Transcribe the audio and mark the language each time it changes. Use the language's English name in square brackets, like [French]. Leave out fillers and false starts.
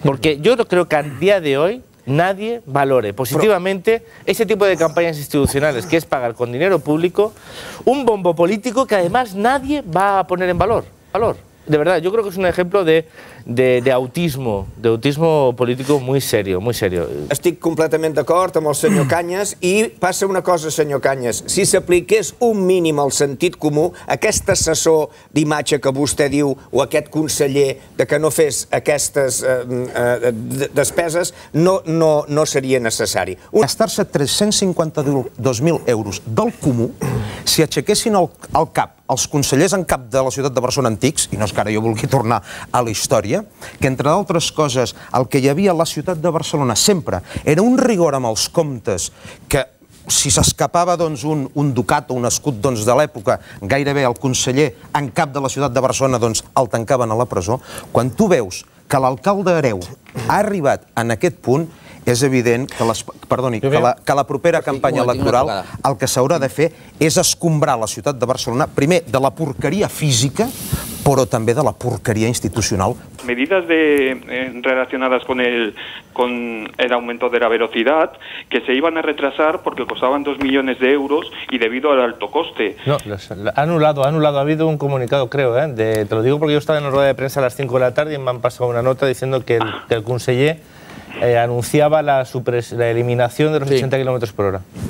[Spanish] Porque yo no creo que a día de hoy nadie valore positivamente ese tipo de campañas institucionales, que es pagar con dinero público un bombo político que además nadie va a poner en valor. De verdad, yo creo que es un ejemplo de autismo político muy serio, muy serio. [Catalan] Estic completament d'acord amb el senyor Cañas, i passa una cosa, senyor Cañas. Si s'apliqués un mínim al sentit comú, aquest assessor d'imatge que vostè diu, o aquest conseller que no fes aquestes despeses, no seria necessari. Gastar-se 352.000 euros del comú, si aixequessin el cap els consellers en cap de la ciutat de Barcelona antics, i no és que ara jo vulgui tornar a la història, que entre d'altres coses el que hi havia a la ciutat de Barcelona sempre era un rigor amb els comptes que si s'escapava un ducat o un escut de l'època, gairebé el conseller en cap de la ciutat de Barcelona el tancaven a la presó, quan tu veus que l'alcalde Hereu ha arribat en aquest punt, és evident que, que la propera campanya electoral el que s'haurà de fer és escombrar la ciutat de Barcelona, primer de la porqueria física, però també de la porqueria institucional. [Spanish] Medidas relacionadas con el aumento de la velocidad que se iban a retrasar porque costaban 2 millones de euros y debido al alto coste. No, ha anulado, ha habido un comunicado, creo, te lo digo porque yo estaba en la rueda de prensa a las 5 de la tarde y me han pasado una nota diciendo que el conseller anunciaba la eliminación de los 80 kilómetros por hora.